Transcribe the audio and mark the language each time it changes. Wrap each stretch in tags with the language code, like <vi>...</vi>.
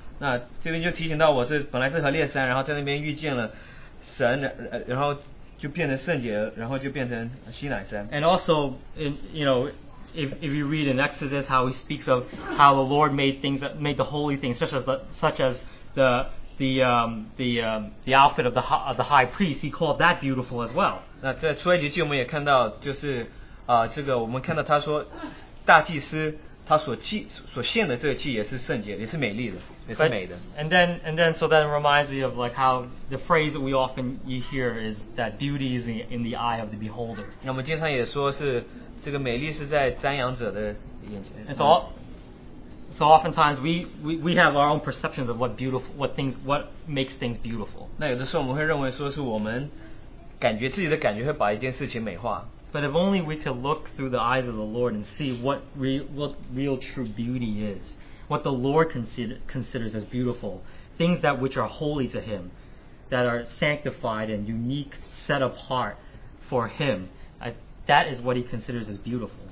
<zh>那这边就提醒到我这本来是和烈山，然后在那边遇见了神，然后就变成圣洁，然后就变成西乃山。</zh> <en>And also, if you read in Exodus how he speaks of how the Lord made the holy things such as the outfit of the high priest, he called that beautiful as well.</en> <zh>那在出埃及记我们也看到，就是这个我们看到他说大祭司。他所献的这个祭也是圣洁，也是美丽的，也是美的。</zh> <en>And then, so that reminds me of like how the phrase that we often you hear is that beauty is in the eye of the beholder.</en> <zh>那我们经常也说是这个美丽是在瞻仰者的眼前。</zh> <en>So oftentimes we have our own perceptions of what makes things beautiful.</en> <zh>那有的时候我们会认为说是我们感觉自己的感觉会把一件事情美化。</zh> <en>But if only we could look through the eyes of the Lord and see what real true beauty is, what the Lord considers as beautiful, things that which are holy to him, that are sanctified and unique, set apart for him, that is what he considers as beautiful.</en>